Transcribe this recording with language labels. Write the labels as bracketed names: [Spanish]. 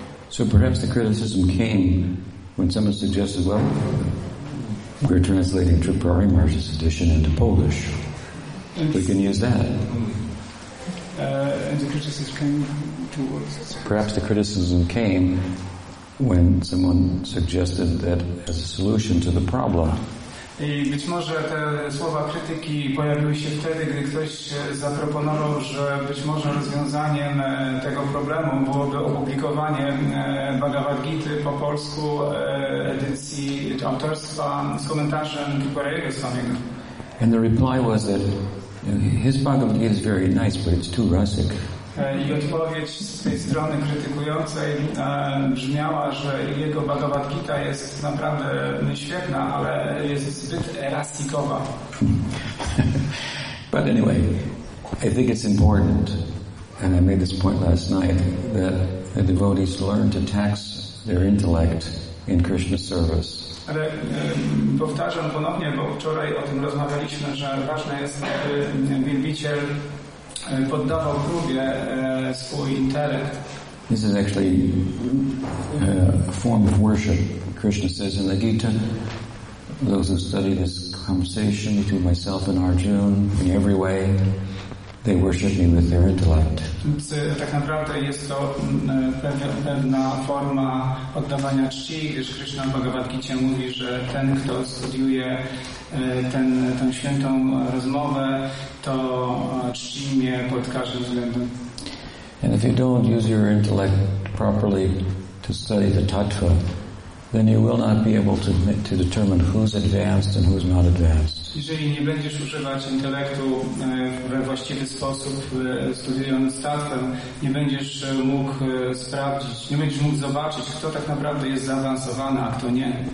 [English] So perhaps the criticism came when someone suggested, well, we're translating Tripurari Maharaj's edition into Polish. We can use that. And the criticism came towards. Perhaps the criticism came when someone suggested that as a solution to the problem. [Polish] I być może te słowa krytyki pojawiły się wtedy, gdy ktoś zaproponował, że być może rozwiązaniem tego problemu byłoby opublikowanie Bhagavad Gita po polsku edycji autorstwa z komentarzem Tripurari samego. [English] And the reply was that his Bhagavad Gita is very nice, but it's too rustic. [Polish] I odpowiedź z tej strony krytykującej brzmiała, że jego Bhagavad Gita jest naprawdę świetna, ale jest zbyt rustikowa. [English] But anyway, I think it's important, and I made this point last night, that the devotees learn to tax their intellect in Krishna's service. [Polish] Ale powtarzam ponownie, bo wczoraj o tym rozmawialiśmy, że ważne jest, aby wielbiciel poddawał próbie swój intelekt. [English] This is actually a form of worship. Krishna says in the Gita, those who study this conversation between myself and Arjuna in every way, they worship me with their intellect. [Polish] Tak naprawdę jest to pewna forma oddawania czci, gdyż Krishna Bhagavad Gita mówi, że ten, kto studiuje tę świętą rozmowę, to czci mnie pod każdym względem. [English] And if you don't use your intellect properly to study the tattva, then you will not be able to determine who's advanced and who's not advanced. [Polish] Jeżeli nie będziesz używać intelektu we właściwy sposób, studiując tattwę, nie będziesz mógł sprawdzić, nie będziesz mógł zobaczyć, kto tak naprawdę jest zaawansowany, a kto nie.